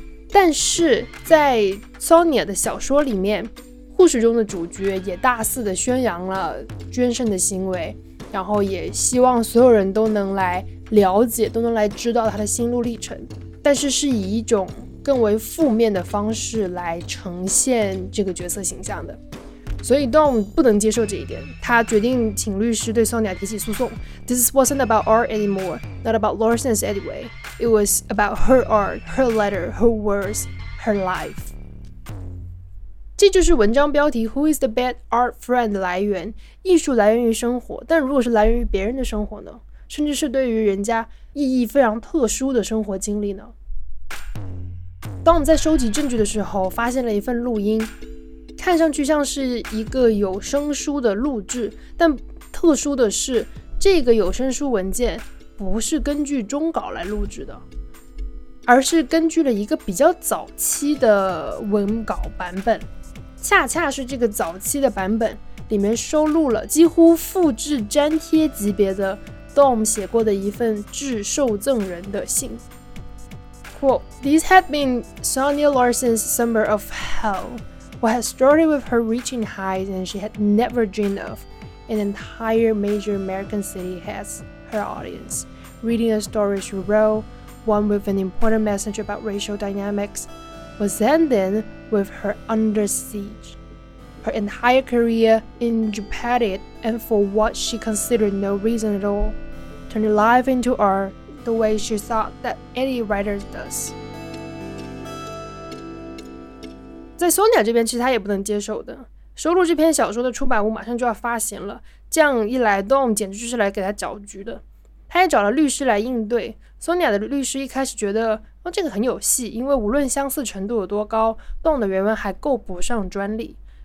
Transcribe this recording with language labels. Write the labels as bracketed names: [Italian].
[Chinese] 但是在 Sonia 的小说里面，故事中的主角也大肆的宣扬了捐肾的行为，然后也希望所有人都能来了解，都能来知道他的心路历程，但是是以一种更为负面的方式来呈现这个角色形象的。所以 Dawn 不能接受这一点，他决定请律师对 Sonia 提起诉讼。 [English] This wasn't about art anymore, not about Larson's anyway. It was about her art, her letter, her words, her life. [Chinese] 这就是文章标题 [English] Who is the bad art friend [Chinese] 的来源，艺术来源于生活，但如果是来源于别人的生活呢？甚至是对于人家意义非常特殊的生活经历呢？当我们在收集证据的时候发现了一份录音，看上去像是一个有声书的录制，但特殊的是这个有声书文件不是根据终稿来录制的，而是根据了一个比较早期的文稿版本。恰恰是这个早期的版本里面收录了几乎复制粘贴级别的 Dom 写过的一份致受赠人的信。 [English] Quote, "These had been Sonia Larsen's summer of hell. What had started with her reaching highs and she had never dreamed of, an entire major American city has her audience, reading a story she wrote, one with an important message about racial dynamics, was ending with her under siege. Her entire career in jeopardy and for what she considered no reason at all, turned life into art. The way she thought that any writer does. [Chinese] 在 Sonia 这边，其实他也不能接受的。收录这篇小说的出版物马上就要发行了，这样一来 ，Dom 简直就是来给他搅局的。他也找了律师来应对。Sonia 的律师一开始觉得，这个很有戏，因为无论相似程度有多高 ，Dom 的原文还够不上专利。